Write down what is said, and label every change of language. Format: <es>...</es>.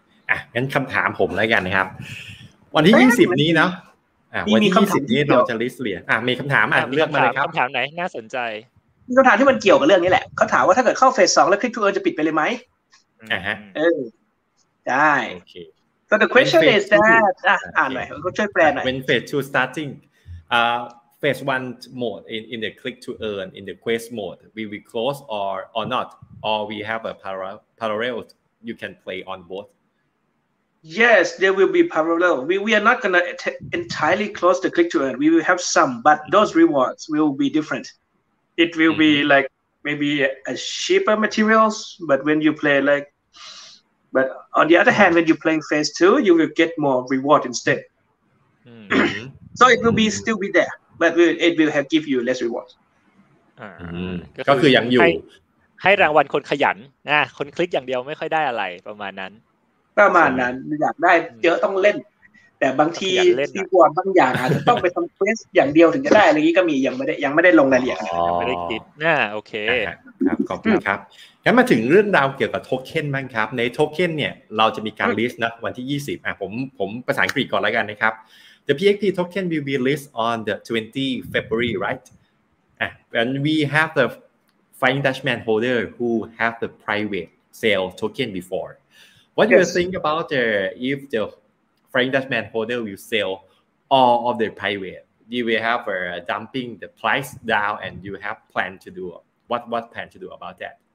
<th>อ่ะงั้นคำถามผมแล้วกันนะครับวันที่20นี้เนาะวันที่20นี้เราจะลิสต์เหรียญมีคำถามเลือกมาเลยครับ คำถามไหนน่าสนใจ มีคำถามที่มันเกี่ยวกับเรื่องนี้แหละเขาถามว่าถ้าเกิดเข้าเฟส2แล้วคลิกทูเออร์จะปิดไปเลยไหม ฮะ ได้</th> <en>so the question is that</en> <th>อ่านหน่อยก็ช่วยแปลหน่อย</th> <en>when phase 2 starting phase 1 mode in the click to earn in the quest mode we close or not or we have a parallel you can play on both Yes, there will be parallel. We are not gonna entirely close the click to earn. We will have some, but those rewards will be different. It will be like maybe a cheaper materials. But when you play like, but on the other hand, when you're playing phase two, you will get more reward instead. So it will be still be there, but it will have give you less rewards.</en> <th>ก็คือยังอยู่ให้รางวัลคนขยันนะคนคลิกอย่างเดียวไม่ค่อยได้อะไรประมาณนั้น ประมาณนั้นอยากได้เยอะต้องเล่นแต่บางทีที่ควรบางอย่างอาจจะต้องไปทำเควสอย่างเดียวถึงจะได้อะไรงี้ก็มียังไม่ได้ลงรายละเอียด ไม่ได้คิดน่าโอเค ครับขอบคุณครับงั้นมาถึงเรื่องราวเกี่ยวกับโทเค็นบ้างครับในโทเค็นเนี่ยเราจะมีการลิสต์นะวันที่20ผมภาษาอังกฤษก่อนแล้วกันนะครับ</th> <en>the PXP token will be list on the 20 February right and we have the fine dashman holder who have the private sell token before. What do you think about the if the Frank Dutchman holder will sell all of the private? You will have a dumping the price down, and you have plan to do what plan to do about that?</en>